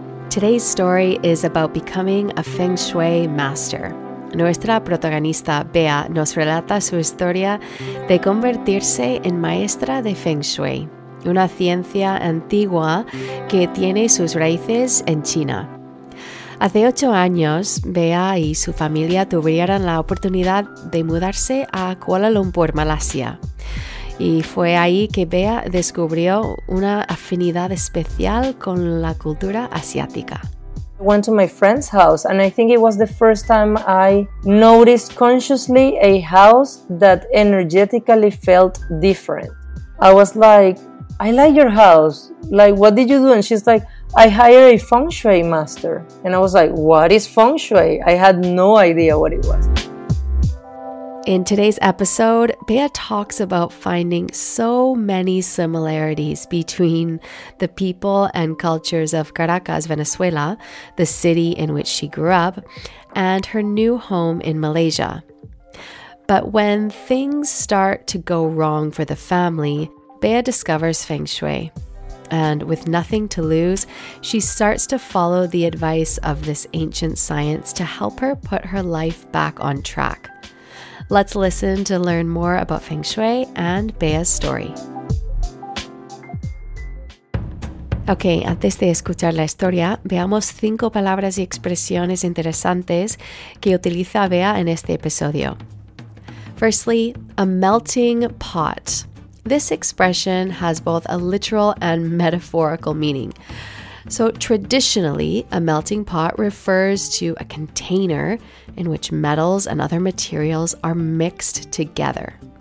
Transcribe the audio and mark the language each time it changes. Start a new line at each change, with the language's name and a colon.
English: Today's story is about becoming a Feng Shui master.
Spanish: Nuestra protagonista, Bea, nos relata su historia de convertirse en maestra de Feng Shui, una ciencia antigua que tiene sus raíces en China. Hace 8 años, Bea y su familia tuvieron la oportunidad de mudarse a Kuala Lumpur, Malasia. Y fue ahí que Bea descubrió una afinidad especial con la cultura asiática.
English: Went to my friend's house and I think it was the first time I noticed consciously a house that energetically felt different. I was like, I like your house. Like, what did you do? And she's like, I hired a feng shui master. And I was like, what is feng shui? I had no idea what it was. In today's episode, Bea talks about finding so many similarities between the people and cultures of Caracas, Venezuela, the city in which she grew up, and her new home in Malaysia. But when things start to go wrong for the family, Bea discovers Feng Shui. And with nothing to lose, she starts to follow the advice of this ancient science to help her put her life back on track. Let's listen to learn more about Feng Shui and Bea's story.
Spanish: Ok, antes de escuchar la historia, veamos 5 palabras y expresiones interesantes que utiliza Bea en este episodio.
English: Firstly, a melting pot. This expression has both a literal and metaphorical meaning. So traditionally, a melting pot refers to a container in which metals and other materials are mixed together.